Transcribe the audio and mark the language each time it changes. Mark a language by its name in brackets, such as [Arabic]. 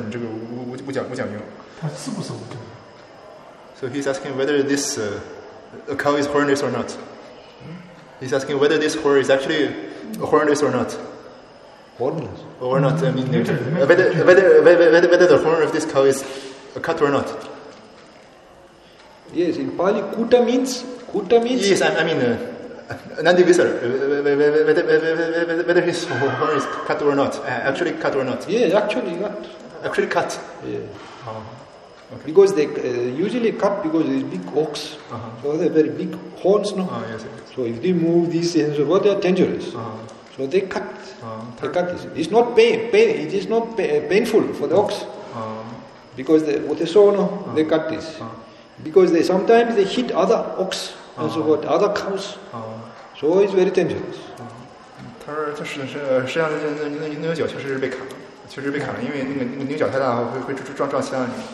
[Chinese] 他说那天那个婆罗门，他想显示一下，他这牛有多强壮，但是他让那个牛拿东西的时候，他说你这个五角牛。他是不是？ [English] So he's asking whether this cow is hornless or not. He's asking whether this whore is actually hornless or not. Hornless? Or not, I mean, whether the horn of this cow is cut or not. Yes, in Pali, kuta means? Yes, I mean, Nandi Visara, whether his horn is cut or not, actually cut or not. Yes, actually cut. Actually cut. Yeah. Okay. Because they usually cut because it's big ox, so they're very big horns, no? Yes. So if they move these things, so they are dangerous. So they cut. They cut this. It's not pain. It is not painful for the ox. Because they, with the saw, no? They cut this. Because they sometimes they hit other ox, and so what? Other cows. So it's very dangerous. [Chinese] 他说他实际上那牛角确实是被砍了，确实被砍了，因为那个牛角太大了，会撞其他人。